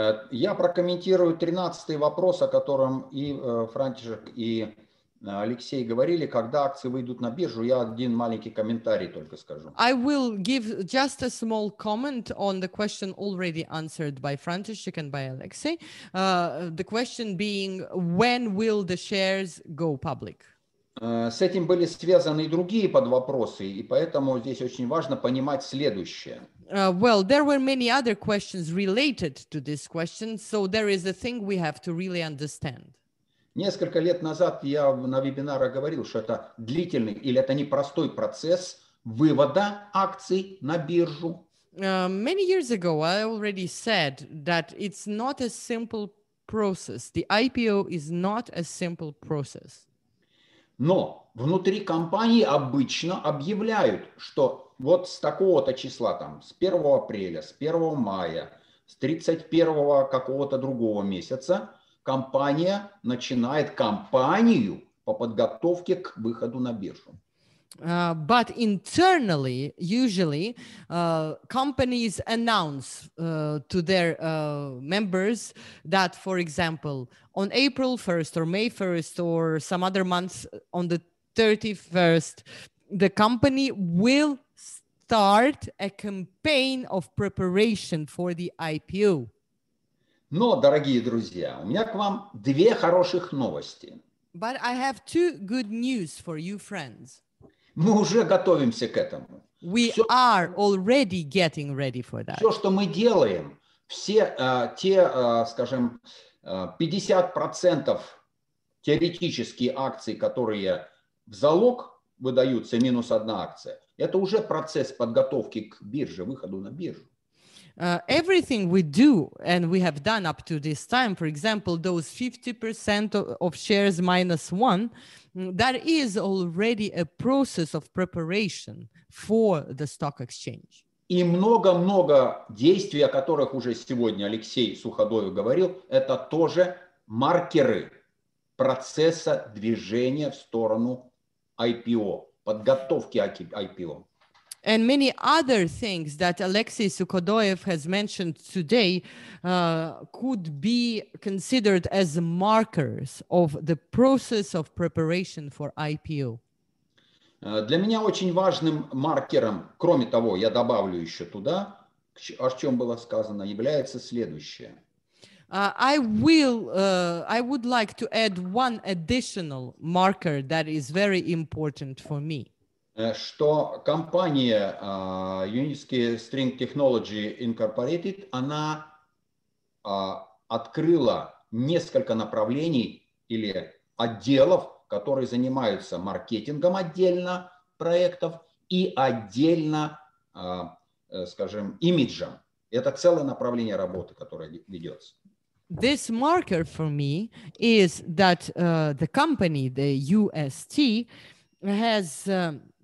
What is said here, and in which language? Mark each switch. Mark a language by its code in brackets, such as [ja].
[ru] Я прокомментирую 13-й вопрос, о котором и Франтишек, и Алексей говорили, когда акции выйдут на биржу, я один маленький комментарий только скажу. [en] I will give just a small comment on the question already answered by František and by Alexei. The question being, when will the shares go public? [ru] С этим были связаны и другие подвопросы, и поэтому здесь очень важно понимать следующее. [en] Well, there were many other questions related to this question, so there is a thing we have to really understand. [ru] Несколько лет назад я на вебинарах говорил, что это длительный или это непростой процесс вывода акций на биржу. [en] Many years ago I already said that it's not a simple process. The IPO is not a simple process. [ru] Но внутри компании обычно объявляют, что вот с такого-то числа, там, с 1 апреля, с 1 мая, с 31 какого-то другого месяца, компания начинает кампанию по подготовке к выходу на биржу. [en] But internally, usually, companies announce to their members that, for example, on April 1st or May 1st or some other month on the 31st, the company will start a campaign of preparation for the IPO. [ru] Но, дорогие друзья, у меня к вам две хороших новости. [en] But I have two good news for you, friends. [ru] Мы уже готовимся к этому. [en] We are already getting ready for that. [ru] Все, что мы делаем, все те, скажем, 50% теоретически акций, которые в залог выдаются, минус одна акция, это уже процесс подготовки к бирже, выходу на биржу. [en] Everything we do and we have done up to this time, for example, those 50% of shares minus one, that is already a process of preparation for the stock exchange. [ru] И много-много действий, о которых уже сегодня Алексей Суходоев говорил, это тоже маркеры процесса движения в сторону IPO, подготовки IPO. [en] And many other things that Alexei Sukhodoyev has mentioned today could be considered as markers of the process of preparation for IPO. [ru] Для меня очень важным маркером, кроме того, я добавлю еще туда, о чем было сказано, является следующее. [en] I would like to add one additional marker that is very important for me. [ru] Что компания Unisky String Technology Incorporated, она открыла несколько направлений или отделов, которые занимаются маркетингом отдельно проектов и отдельно, скажем, имиджем. Это целое направление работы, которое ведется. [en] This marker for me is that the company, the UST, has...